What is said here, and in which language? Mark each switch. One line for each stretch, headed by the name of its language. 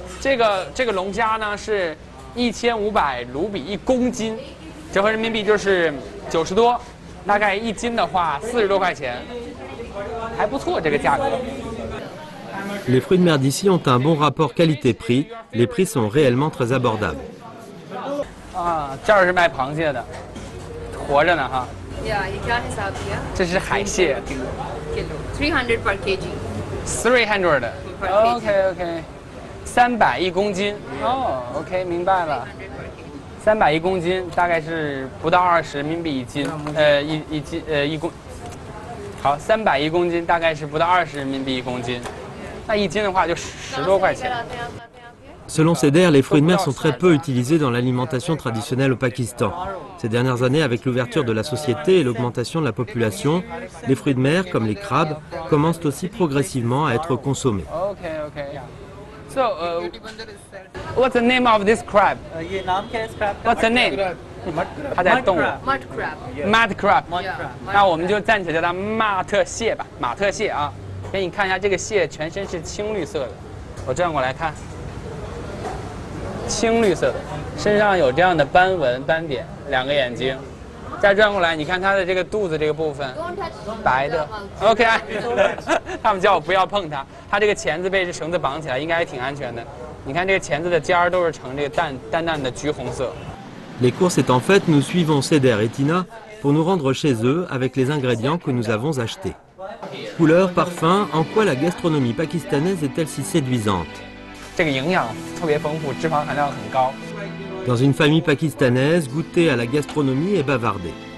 Chinese: 这个龙虾呢是1,500卢比一公斤，折合人民币就是90多，大概一斤的话40多块钱。还不错，这个价格。
French: Les fruits de mer d'ici ont un bon rapport qualité-prix. Les prix sont réellement très abordables.
Chinese: Ah, 这儿是卖螃蟹的，活着呢哈。
English: Yeah, you can't have here. This is 300 per kg. 300. Okay, okay. 300
Chinese: 一公斤。
English: Oh, okay,
Chinese: 明白了。 300一公斤，大概是不到20人民币一斤。一公。好，300一公斤，大概是不到20人民币一公斤。那一斤的话就10多块钱。
French: Selon Seder, les fruits de mer sont très peu utilisés dans l'alimentation traditionnelle au Pakistan. Ces dernières années, avec l'ouverture de la société et l'augmentation de la population, les fruits de mer, comme les crabes, commencent aussi progressivement à être consommés.
English: Okay, okay. So, what's the name of this crab? What's the name? Mud crab. Mud crab. Mud crab. Mud crab. Mud
Chinese: crab. 那我们就暂且叫它马特蟹吧，马特蟹啊。给你看一下，这个蟹全身是青绿色的。我转过来看。青绿色的，身上有这样的斑纹斑点，两个眼睛，再转过来，你看它的这个肚子这个部分，白的。 OK， 他们叫我不要碰它，它这个钳子被这绳子绑起来，应该还挺安全的。你看这个钳子的尖儿都是呈这个淡淡的橘红色。
French: Les courses étant faites, nous suivons Seder et Tina pour nous rendre chez eux avec les ingrédients que nous avons achetés. Couleur, parfum, en quoi la gastronomie pakistanaise est-elle si séduisante ? Dans une famille pakistanaise, goûter à la gastronomie est bavardé.